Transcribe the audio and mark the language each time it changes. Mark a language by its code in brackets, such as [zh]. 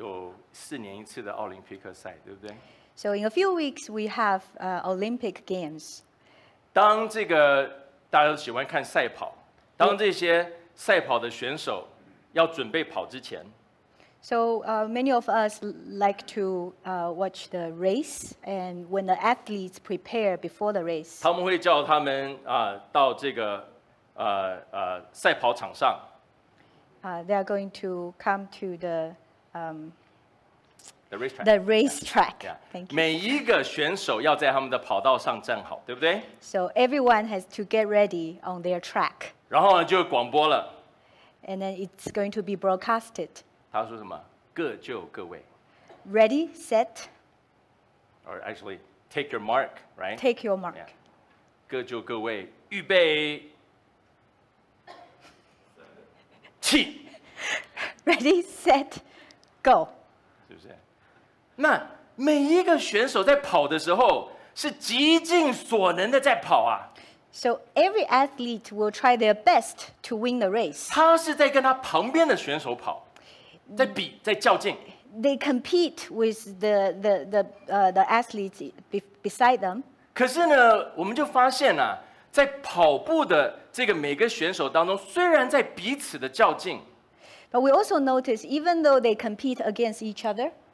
[zh] 今年好像再过几周就要有四年一次的奥林匹克赛，对不对？ [en] So in a few weeks we have Olympic Games. [zh] 当这个大家都喜欢看赛跑，当这些赛跑的选手要准备跑之前， [en] So many of us like to watch the race, and when the athletes prepare before the race, [zh] 他们会叫他们 到这个赛跑场上。 [en] They are going to come to the racetrack. The racetrack. Yeah. Yeah. Thank you. [zh] 每一个选手要在他们的跑道上站好，对不对？ [en] So everyone has to get ready on their track. [zh] 然后呢，就广播了。 [en] And then it's going to be broadcasted. [zh] 他说什么？各就各位。 [en] Ready, set. Or actually, take your mark, right? Take your mark. Yeah. [zh] 各就各位，预备。 [en] Ready, set, go. [zh] 是不是？那每一个选手在跑的时候是极尽所能的在跑啊。 [en] So every athlete will try their best to win the race. [zh] 他是在跟他旁边的选手跑，在比，在较劲。 [en] They compete with the athletes beside them. [zh] 可是呢，我们就发现啊，在跑步的这个每个选手当中，虽然在彼此的较劲。 [en] But we also notice, even though they compete against each other,